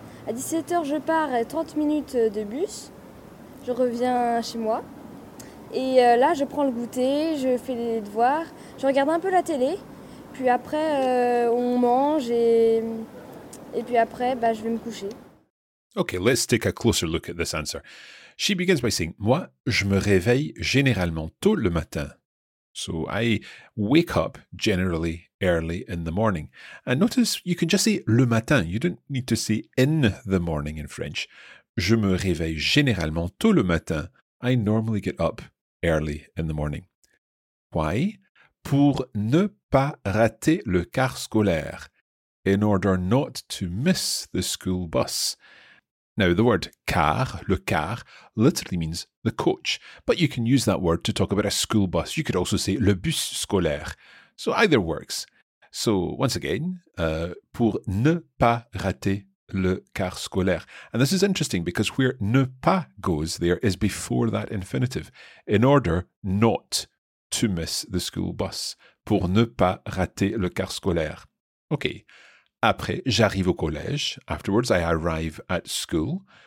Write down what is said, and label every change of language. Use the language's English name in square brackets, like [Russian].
[French] À 17h, je pars 30 minutes de bus. Je reviens chez moi. Et là, je prends le goûter, je fais les devoirs, je regarde un peu la télé. Puis après, on mange et puis après, je vais me coucher. [English] Okay, let's take a closer look at this answer. She begins by saying, [French] moi, je me réveille généralement tôt le matin. [English] So I wake up generally early in the morning. And notice you can just say le matin. You don't need to say in the morning in French. [French] Je me réveille généralement tôt le matin. [English] I normally get up early in the morning. Why? [French] Pour ne pas rater le car scolaire. [English] In order not to miss the school bus. Now, the word car, le car, literally means the coach. But you can use that word to talk about a school bus. You could also say [French] le bus scolaire. [English] So either works. So once again, [French] pour ne pas rater le car scolaire. [English] And this is interesting because where ne pas goes there is before that infinitive, in order not to miss the school bus. [French] Pour ne pas rater le car scolaire. Okay. Après, j'arrive au collège. [English] Afterwards, I arrive at school.